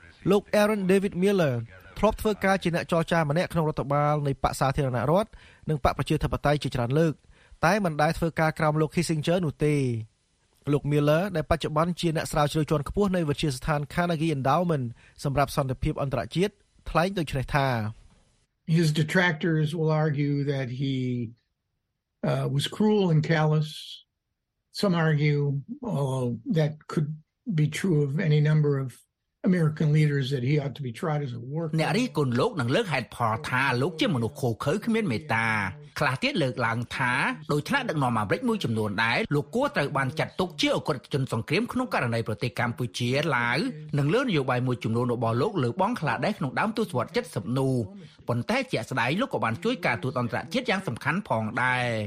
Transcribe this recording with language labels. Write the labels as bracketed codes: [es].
[km] លោក Aaron David Miller ធ្លាប់ធ្វើការជាអ្នកចរចាម្នាក់ក្នុងរដ្ឋបាលនៃបក្សសាធារណរដ្ឋនិងបក្សប្រជាធិបតេយ្យជាច្រើនលើកតែមិនដែលធ្វើការក្រោមលោក Kissinger នោះទេលោក Miller ដែលបច្ចុប្បន្នជាអ្នកស្រាវជ្រាវជាន់ខ្ពស់នៃវិទ្យាស្ថាន Carnegie Endowment សម្រាប់សន្តិភាពអន្តរជាតិថ្លែងដូចនេះថា [en] His detractors will argue that he was cruel and callous. Some argue that could be true of any number of American leaders that he ought to be tried as a war criminal. [km] អ្នករីកូនលោកនឹងលើកហេតុផលថាលោកជាមនុស្សខូចខើគ្មានមេត្តាខ្លះទៀតលើកឡើងថាដោយថ្នាក់ដឹកនាំអាមេរិកមួយចំនួនដែរលោកគួរត្រូវបានចាត់ទុកជាអគ្គរដ្ឋជនសង្គ្រាមក្នុងករណីប្រទេសកម្ពុជាឡាវនិងលើនយោបាយមួយចំនួនរបស់លោកលើបងក្លាដែរក្នុងដើមទសវត្សរ៍70នោះប៉ុន្តែជាស្ដាយលោកក៏បានជួយការទូតអន្តរជាតិយ៉ាងសំខាន់ផងដែរ